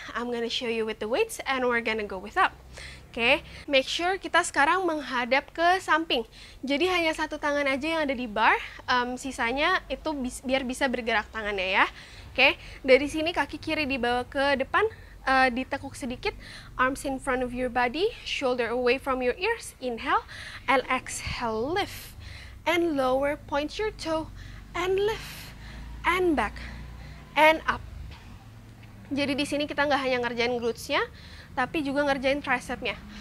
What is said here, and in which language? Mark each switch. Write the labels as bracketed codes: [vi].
[en] I'm gonna show you with the weights and we're gonna go with up. [id] Oke, okay. [en] Make sure [id] kita sekarang menghadap ke samping. Jadi hanya satu tangan aja yang ada di bar, sisanya itu biar bisa bergerak tangannya ya. Oke, okay. Dari sini kaki kiri dibawa ke depan, ditekuk sedikit. [en] Arms in front of your body, shoulder away from your ears. Inhale, and exhale, lift. And lower, point your toe, and lift, and back, and up. [id] Jadi di sini kita nggak hanya ngerjain glutes-nya, tapi juga ngerjain tricep-nya.